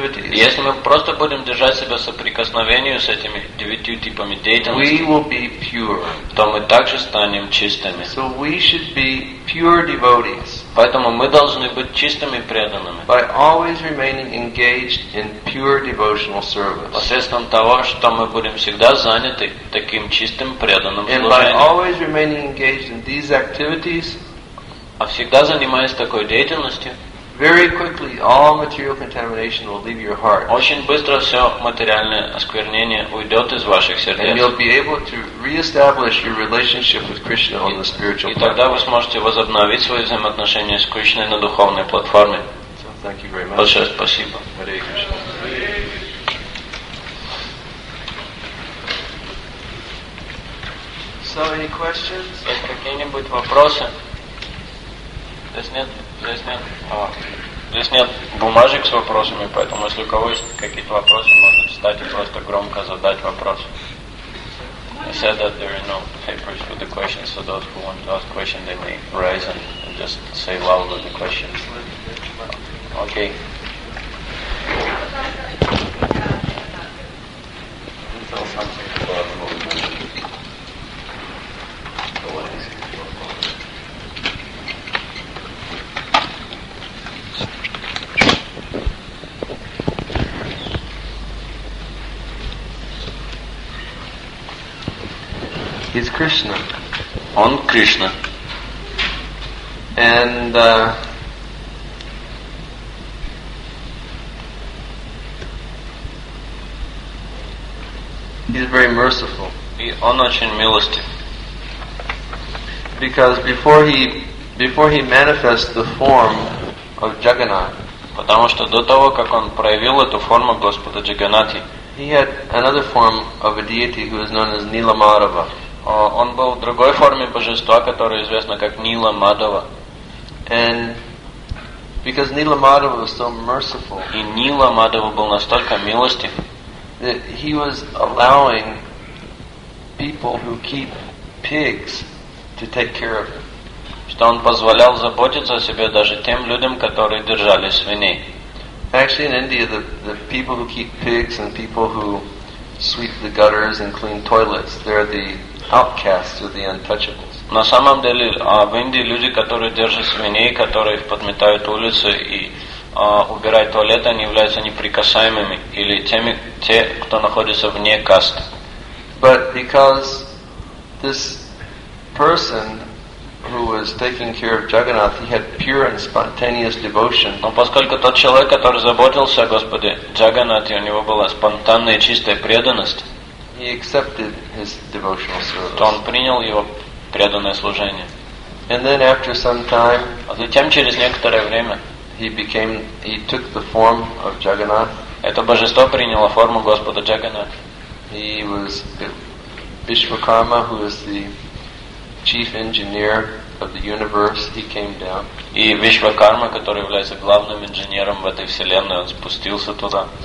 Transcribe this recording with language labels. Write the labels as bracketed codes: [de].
[ru] Если мы просто будем держать себя в соприкосновении с этими девятью типами деятельности, [en] we will be pure. [ru] То мы также станем чистыми. [en] So we should be pure devotees. [ru] Поэтому мы должны быть чистыми преданными. [en] By always remaining engaged in pure devotional service. [ru] Посредством того, что мы будем всегда заняты таким чистым преданным [en] and [ru] служением. [en] And by always remaining engaged in these activities. [ru] А всегда занимаясь такой деятельностью, [en] very quickly, all material contamination will leave your heart. [ru] Очень быстро все материальное осквернение уйдет из ваших сердец. [en] And you'll be able to re-establish your relationship with Krishna on the spiritual platform. [ru] И тогда вы сможете возобновить свои взаимоотношения с Кришной на духовной платформе. [en] So, thank you very much. [ru] Большое спасибо. [en] Hare Krishna. So, any questions? [ru] Есть какие-нибудь вопросы? Здесь нет бумажек с вопросами, поэтому если у кого есть какие-то вопросы, можно встать и просто громко задать вопрос. [en] I said that there are no papers with the questions, so those who want to ask questions, they may rise and just say loudly the question. Okay. He's Krishna. On Krishna. And he's very merciful. [ru] И он очень милостив. [en] Because before he manifests the form of Jagannath. [ru] Потому что до того, как он проявил эту форму Господа Джаганати, [en] he had another form of a deity who is known as Nilamadhava. [ru] Он был в другой форме божества, которое известно как Нила Мадхава. [en] And because Nila Madhava was so merciful, [ru] и Нила Мадхава был настолько милостив, [en] that he was allowing people who keep pigs to take care of them. [ru] Что он позволял заботиться о себе даже тем людям, которые держали свиней. [en] Actually, in India, the people who keep pigs and people who sweep the gutters and clean toilets, they're the outcasts or the untouchables. [ru] На самом деле, в Индии люди, которые держат свиней, которые подметают улицы и убирают туалеты, они являются неприкасаемыми или теми, те, кто находится вне касты. [en] But because this person who was taking care of Jagannath, he had pure and spontaneous devotion. [ru] Но поскольку тот человек, который заботился о Господе Джаганате, у него была спонтанная и чистая преданность, [en] he accepted his devotional service. [ru] То он принял его преданное служение. [en] And then after some time, [ru] а затем через некоторое время, [en] he took the form of Jagannath. [ru] Это божество приняло форму Господа Джаганат. [en] He was Vishwakarma, who is the chief engineer of the universe. He came down. [ru] И Вишвакарма, который является главным инженером в этой вселенной, он спустился туда.